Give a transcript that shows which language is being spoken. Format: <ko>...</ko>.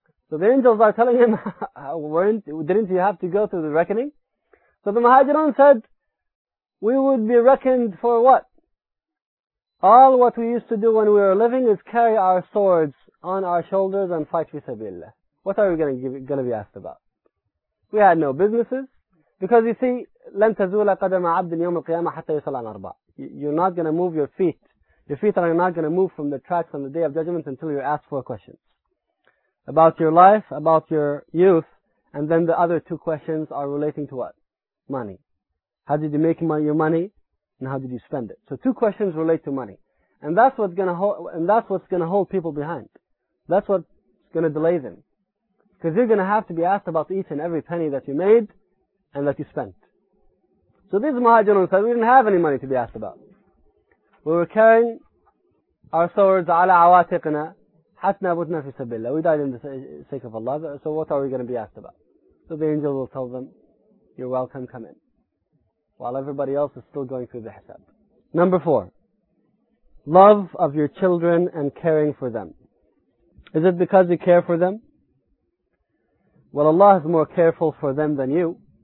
<en>So the angels are telling him, didn't you have to go through the reckoning? So the muhajirun said, we would be reckoned for what? All what we used to do when we were living is carry our swords on our shoulders and fight fi sabilillah. What are we going to be asked about? We had no businesses. Because you see,</en> <ar>لَن تَزُولَ قَدَمَ عَبْدٍ يَوْمَ الْقِيَامَةِ حَتَّى يُسَلَ عَنْ أَرْبَعٍ.</ar> <en>You're not going to move your feet. Your feet are not going to move from the tracks on the Day of Judgment until you're asked four questions. About your life, about your youth, and then the other two questions are relating to what? Money. How did you make your money? And how did you spend it? So two questions relate to money. And that's what's going to hold people behind. That's what's going to delay them. Because you're going to have to be asked about each and every penny that you made and that you spent. So these muhajirun said, we didn't have any money to be asked about. We were carrying our swords,</en> <ar>عَلَىٰ عَوَاتِقْنَا حَتْنَا بُتْنَا فِي سَبِيلَ اللَّهِ.</ar> <en>We died in the sake of Allah. So what are we going to be asked about? So the angel will tell them, you're welcome, come in. While everybody else is still going through the hisab. Number four, love of your children and caring for them. Is it because you care for them? Well, Allah is more careful for them than you.</en>